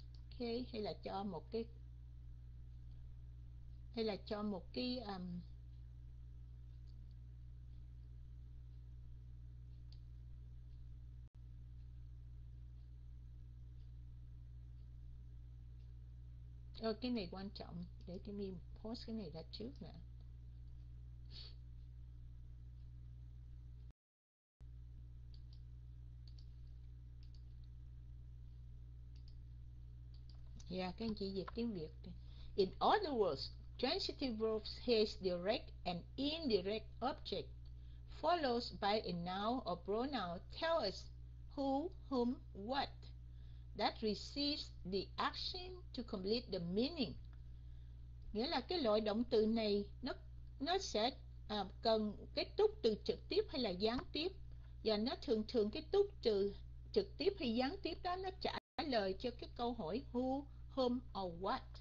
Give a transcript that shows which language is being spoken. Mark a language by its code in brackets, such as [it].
[vi] Okay, hay là cho một cái cái này quan trọng, để cái mình post cái này ra trước nè. Yeah, các anh chị dịch tiếng Việt. [en] In other words, transitive verbs has direct and indirect object, follows by a noun or pronoun, tell us who, whom, what, that receives the action to complete the meaning. [vi] Nghĩa là cái loại động từ này nó sẽ cần cái túc từ trực tiếp hay là gián tiếp, và nó thường thường cái túc từ trực tiếp hay gián tiếp đó nó trả lời cho cái câu hỏi [en] who, whom or what.